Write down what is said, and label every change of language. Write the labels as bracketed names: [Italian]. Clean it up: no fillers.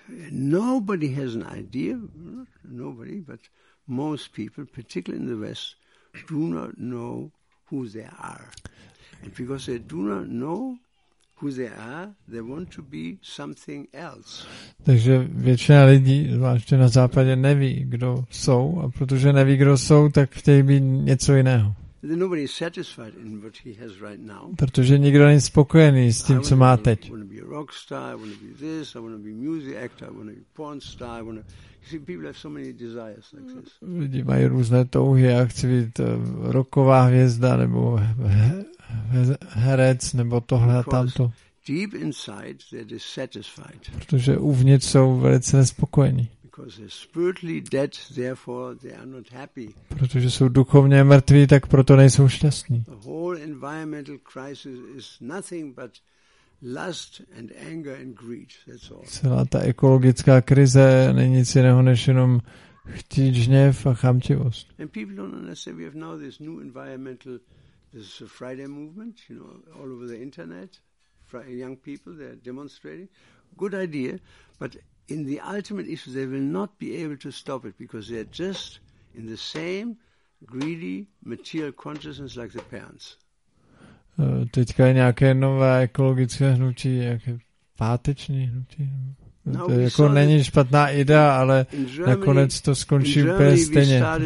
[English] Nobody has an idea. Not nobody, but most people, particularly in the West, do not know who they are. And because they do not know who they are, they want to be something else. [Czech] Takže většina lidí, zvláště na západě, neví, kdo jsou, a protože neví, kdo jsou, tak chtějí být něco jiného. [English] Nobody is satisfied in what he has right now. [Czech] Protože nikdo není spokojený s tím, co má teď. [English] I want to be a rock star, I want to be this, I want to be music actor, I want to be porn star, I want to... You see, people have so many desires like this. [Czech] Lidi mají různé touhy, já chci být rocková hvězda, nebo herec, nebo tohle a tamto. [English] Deep inside, they're dissatisfied. [Czech] Protože uvnitř jsou velice nespokojení. [English] Because they're spiritually dead, therefore they are not happy. [Czech] Protože jsou duchovně mrtví, tak proto nejsou šťastní. [English] The whole environmental crisis is nothing but lust and anger and greed. That's all. [Czech] Celá ta ekologická krize není nic jiného než jenom chtíč, hněv a chamtivost. [English] And people don't understand. We have now this new environmental, this Friday movement, you know, all over the internet. Young people, they're demonstrating. Good idea, but in the ultimate issue, they will not be able to stop it because they're just in the same greedy material consciousness like the parents. [Czech] Teďka je nějaké nové ekologické hnutí, nějaké páteční hnutí. To jako není špatná idea, ale nakonec to skončí úplně stejně.